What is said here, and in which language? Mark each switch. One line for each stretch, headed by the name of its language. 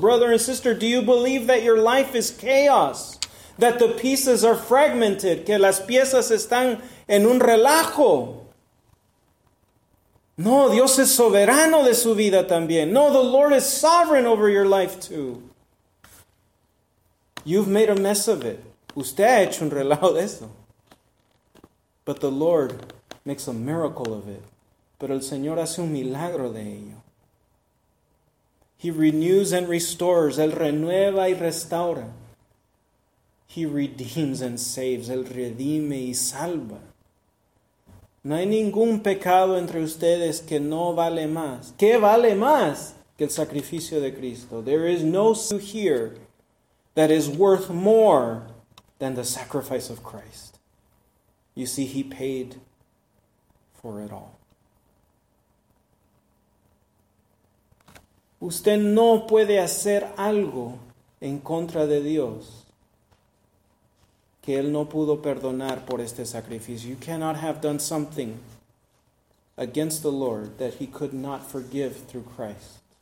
English: Brother and sister, do you believe that your life is chaos? That the pieces are fragmented,
Spanish: que las piezas están en un relajo. No, Dios es soberano de su vida también.
English: No, the Lord is sovereign over your life too. You've made a mess of it.
Spanish: Usted ha hecho un relajo de eso.
English: But the Lord makes a miracle of it.
Spanish: Pero el Señor hace un milagro de ello.
English: He renews and restores.
Spanish: Él renueva y restaura.
English: He redeems and saves.
Spanish: Él redime y salva. No hay ningún pecado entre ustedes que no vale más. ¿Qué vale más que el sacrificio de Cristo?
English: There is no sin here that is worth more than the sacrifice of Christ. You see, He paid for it all.
Spanish: Usted no puede hacer algo en contra de Dios que Él no pudo perdonar por este sacrificio.
English: You cannot have done something against the Lord that He could not forgive through Christ.